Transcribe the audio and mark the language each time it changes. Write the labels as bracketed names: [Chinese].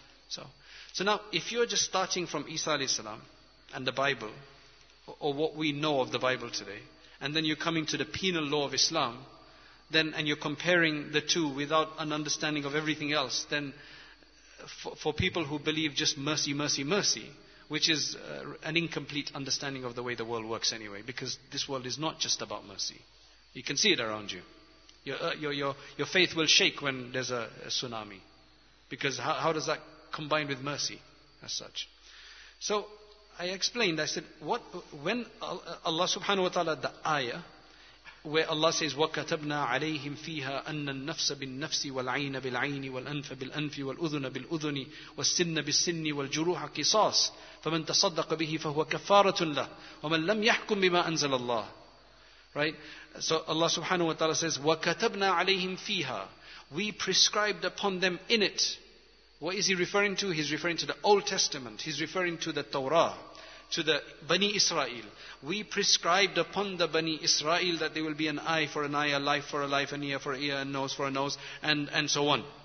[English] So now, if you're just starting from Isa alayhi salam and the Bible, or what we know of the Bible today, and then you're coming to the penal law of Islam, then, and you're comparing the two without an understanding of everything else, then for people who believe just mercy, mercy, mercy, which is an incomplete understanding of the way the world works anyway, because this world is not just about mercy. You can see it around you. Your faith will shake when there's a tsunami. Because how does that combine with mercy as such? So I explained, I said, when Allah subhanahu wa ta'ala, the ayah, where Allah says, [Arabic] وَكَتَبْنَا عَلَيْهِمْ فِيهَا أَنَّ النَّفْسَ بِالنَّفْسِ وَالْعَيْنَ بِالْعَيْنِ وَالْأَنْفَ بِالْأَنْفِ وَالْأُذُنَ بِالْأُذُنِ وَالسِّنَّ بِالسِّنِّ وَالْجُرُوحَ قِصَاصٌ فَمَنْ تَصَدَّقَ بِهِ فَهُوَ كَفَّارَةٌ لَهُ وَمَنْ لَمْ يَحْكُمْ بِمَا أَنْزَلَ اللَّهُ. [English] Right? So Allah subhanahu wa ta'ala says, [Arabic] وَكَتَبْنَا عَلَيْهِمْ فِيهَا. [English] We prescribed upon them in it. What is he referring to? He's referring to the Old Testament. He's referring to the Torah, to the Bani Israel. We prescribed upon the Bani Israel that there will be an eye for an eye, a life for a life, an ear for an ear, a nose for a nose, and so on.